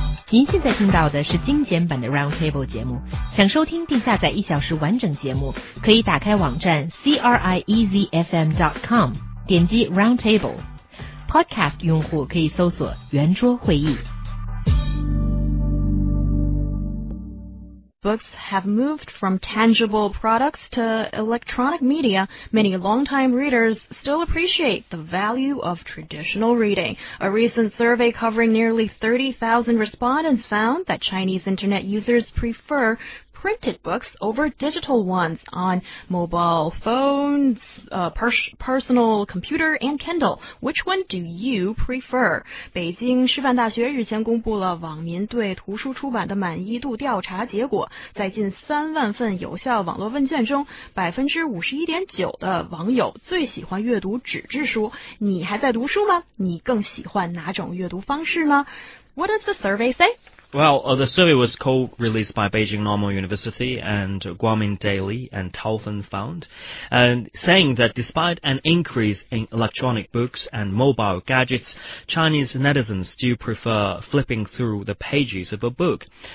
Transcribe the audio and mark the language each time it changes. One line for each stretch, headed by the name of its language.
Chinese: 您现在听到的是精简版的 Round Table 节目，想收听并下载一小时完整节目，可以打开网站 CRIEZFM.com， 点击 Round Table。 Podcast 用户可以搜索圆桌会议。
English: Books have moved from tangible products to electronic media. Many longtime readers still appreciate the value of traditional reading. A recent survey covering nearly 30,000 respondents found that Chinese internet users prefer printed books over digital ones on mobile phones, personal computer, and Kindle. Which one do you prefer?
Chinese: 北京师范大学日前公布了网民对图书出版的满意度调查结果。在近30,000份有效网络问卷中，51.9%的网友最喜欢阅读纸质书。你还在读书吗？你更喜欢哪种阅读方式呢？
English: What does the survey say? Well, the survey was co-released by Beijing Normal University and Guangmin Daily and Taofen Found, and saying that despite an increase in electronic books and mobile gadgets, Chinese netizens still prefer flipping through the pages of a book.